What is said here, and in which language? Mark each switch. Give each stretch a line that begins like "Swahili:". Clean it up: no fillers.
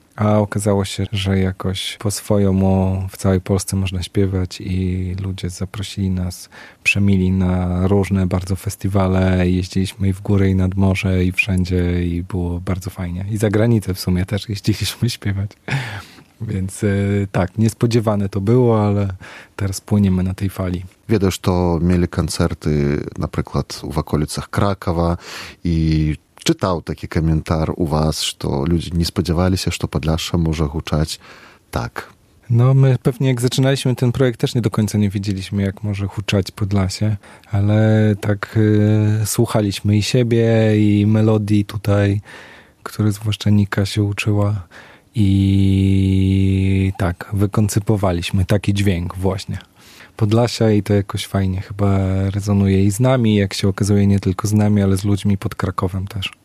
Polish: A okazało się, że jakoś po swojemu w całej Polsce można śpiewać i ludzie zaprosili nas, przemili na różne bardzo festiwale, jeździliśmy i w góry, i nad morze, i wszędzie i było bardzo fajnie. I za granicę w sumie też jeździliśmy śpiewać. Więc tak, niespodziewane to było, ale teraz płyniemy na tej fali. Wiedziałeś, to mieli koncerty na przykład w okolicach Krakowa i
Belarusian: чытаў такі каментар у вас, што людзі не спадзяваліся, што падляшча можа гучаць так.
Polish: No, my pewnie jak zaczynaliśmy ten projekt, też nie do końca nie widzieliśmy, jak może huczać Podlasie, ale tak słuchaliśmy i siebie, i melodii tutaj, które zwłaszcza Nika się uczyła. I tak, wykoncypowaliśmy taki dźwięk właśnie Podlasia i to jakoś fajnie chyba rezonuje i z nami, jak się okazuje, nie tylko z nami, ale z ludźmi pod Krakowem też.